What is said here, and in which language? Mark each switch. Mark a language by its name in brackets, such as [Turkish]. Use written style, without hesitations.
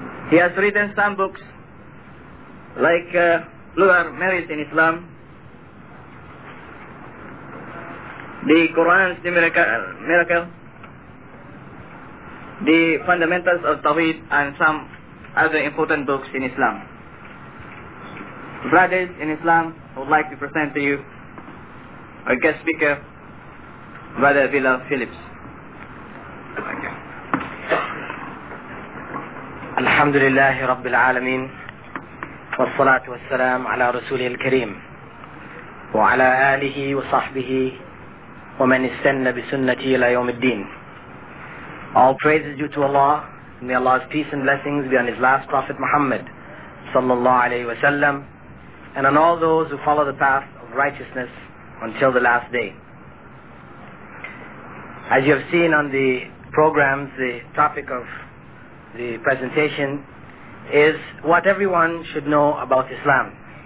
[English] He has written some books like Lugar Merit in Islam, The Quran's the Miracle, The Fundamentals of Tawhid, and some other important books in Islam. Brothers in Islam, I would like to present to you our guest speaker, Brother Bilal Phillips. [Arabic] الحمد لله رب العالمين والصلاة والسلام على رسوله الكريم وعلى آله وصحبه ومن استنى بسنته إلى يوم الدين. [English] All praise is due to Allah. May Allah's peace and blessings be on His last Prophet Muhammad [Arabic] صلى الله عليه وسلم [English] and on all those who follow the path of righteousness until the last day. As you have seen on the programs, the topic of the presentation is what everyone should know about Islam.